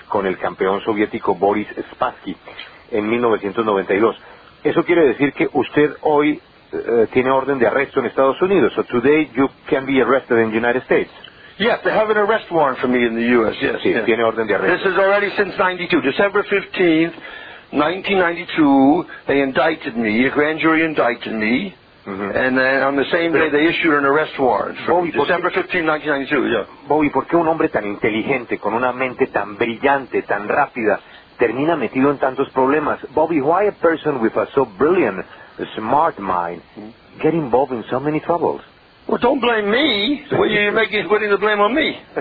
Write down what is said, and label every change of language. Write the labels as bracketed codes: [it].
[es] con el campeón soviético Boris Spassky en 1992. Eso quiere decir que usted hoy tiene orden de arresto en Estados Unidos. [en] So today you can be arrested in the United States. Yes, they have an arrest warrant for me in the U.S. Yes, [es] sí, [en] yes. [es] Tiene orden de arresto. [en] This is already since 92, December 15th. 1992, they indicted me, a grand jury indicted me, mm-hmm. And then on the same day they issued an arrest warrant for Bobby, December 15, 1992. Yeah. [es] Bobby, ¿por qué un hombre tan inteligente, con una mente tan brillante, tan rápida, termina metido en tantos problemas? [en] Bobby, why a person with a so brilliant, smart mind get involved in so many troubles? Well, don't blame me. Well, you're putting the blame on me.